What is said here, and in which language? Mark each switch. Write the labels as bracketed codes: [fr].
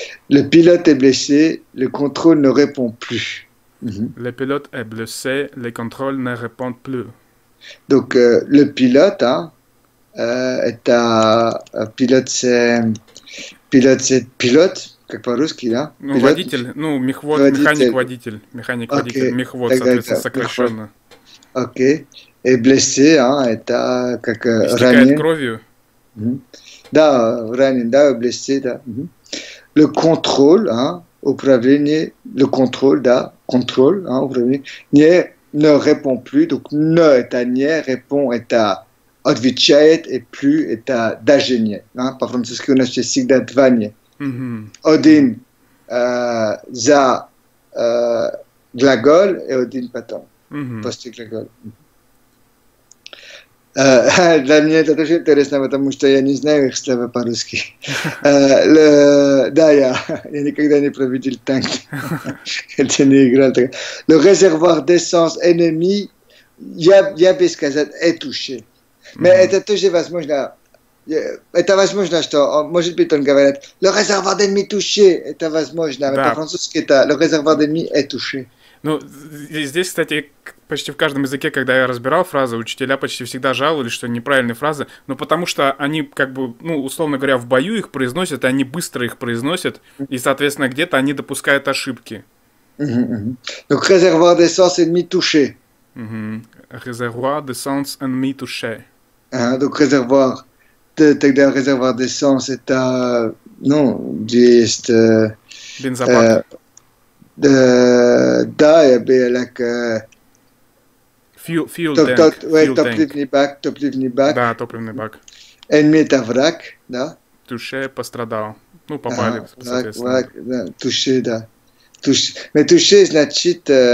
[fr] Le pilote est blessé, le contrôle ne répond plus. Le pilote est blessé, les contrôles ne répondent plus. Donc, le pilote, hein, est un pilote, c'est pilote, [ru] как по-русски, да? Ну, водитель, ну, механик-водитель, механик-водитель, мехвод, соответственно, сокращенно. [fr] Ok, et blessé, hein, est un, [ru] как, ранен. Истекает кровью. Да, ранен, да, blessé, да. [fr] Le contrôle, hein. [ru] Управление, [fr] le contrôle, [ru] да, [fr] contrôle, hein, [ru] управление, не, [fr] ne répond plus, donc ne est à не, répond est à [ru] отвечает, [fr] et plus est à дажение, hein, par français, ce qu'on a fait, [ru] всегда два не. Один за глагол, [fr] et [ru] один потом, после глагола. Для меня это тоже интересно, потому что я не знаю их слова по-русски. Да, я никогда не проводил танк. Я не играл. [fr] Le réservoir d'essence ennemi, [ru] я бы сказал, [fr] est touché. Mais [ru] это тоже возможно. Это возможно, что, может быть, он говорит, [fr] le réservoir d'ennemi touché, [ru] это возможно. Да. Это французский, это [fr] le réservoir d'ennemi est touché. [ru] Ну, здесь, кстати, почти в каждом языке, когда я разбирал фразы, учителя почти всегда жаловались, что неправильные фразы, но потому что они, как бы, ну, условно говоря, в бою их произносят, и они быстро их произносят, и, соответственно, где-то они допускают ошибки. [fr] Donc, réservoir d'essence ennemi touché. Réservoir d'essence ennemi touché. Donc, réservoir, [ru] тогда [fr] réservoir d'essence, [ru] это, ну, есть... Бензопак. Да, я бы, как... [en] Fuel tank. [ru] Топливный бак, топливный бак. Да, топливный бак. Enemy это враг, да. Touché, пострадал. Ну, попали, соответственно. Враг, да, touché, да. Touché. Но touché, значит...